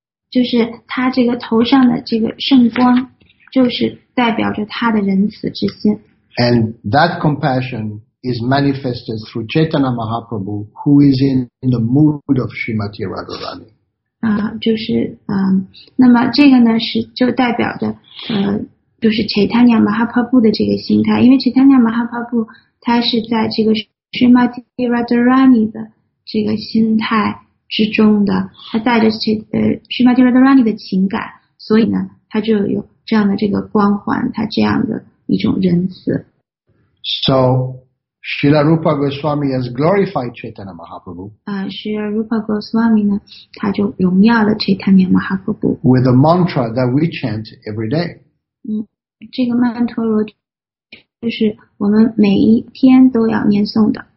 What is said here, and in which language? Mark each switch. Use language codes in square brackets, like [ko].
[zh] 就是她这个头上的这个圣光，就是代表着她的仁慈之心。 [en] And that compassion is manifested through Chaitanya Mahaprabhu, who is in the mood of Srimati Radharani. [zh] 就是那么这个呢是就代表着就是 Chaitanya Mahaprabhu 的这个心态，因为 Chaitanya Mahaprabhu 他是在这个 Srimati Radharani 的这个心态之中的，他带着Srimati Radharani 的情感，所以呢他就有这样的这个光环，他这样的一种仁慈。 [en] So Srila Rupa Goswami has glorified Chaitanya Mahaprabhu. [zh] Srila Rupa Goswami 呢，他就荣耀了 Chaitanya Mahaprabhu. [en] With a mantra that we chant every day. [zh] 这个曼陀罗就是我们每一天都要念诵的。